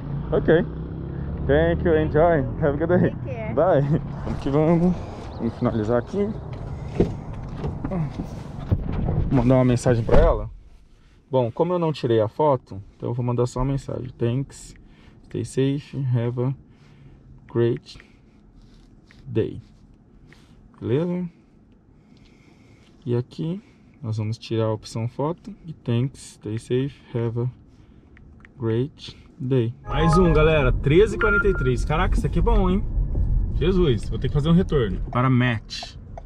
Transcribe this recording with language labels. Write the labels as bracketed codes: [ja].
[en] Okay, thank you, enjoy, have a good day. Bye. [pt] Vamos que vamos, vamos finalizar aqui. Vou mandar uma mensagem pra ela. Bom, como eu não tirei a foto, então eu vou mandar só uma mensagem. [en] Thanks, stay safe, have a great day. [pt] Beleza? E aqui... nós vamos tirar a opção foto e [en] thanks, stay safe, have a Great day. [pt] Mais um, galera. 13h43. Caraca, isso aqui é bom, hein? Jesus, vou ter que fazer um retorno. Para Matt.